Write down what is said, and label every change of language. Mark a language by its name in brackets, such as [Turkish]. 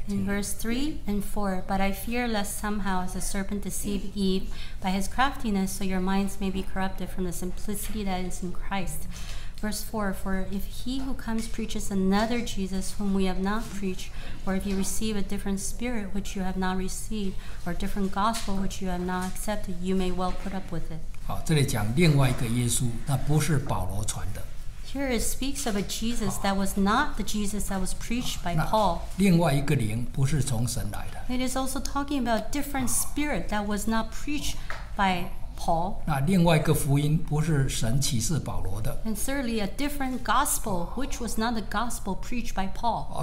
[English] In verse 3 and 4, but I fear lest somehow as a serpent deceived Eve by his craftiness, so your minds may be corrupted from the simplicity that is in Christ. Verse 4, for if he who comes preaches another Jesus whom we have not preached, or if you receive a different spirit which you have not received, or a different gospel which you have not accepted, you may well put up with it. [Chinese] 好，这里讲另外一个耶稣，那不是保罗传的。 [English] Here it speaks of a Jesus that was not the Jesus that was preached by Paul. [Chinese] 另外一个灵不是从神来的。 [English] It is also talking about a different spirit that was not preached by Paul. [Chinese] 那另外一个福音不是神启示保罗的。 [English] And thirdly, a different gospel which was not the gospel preached by Paul.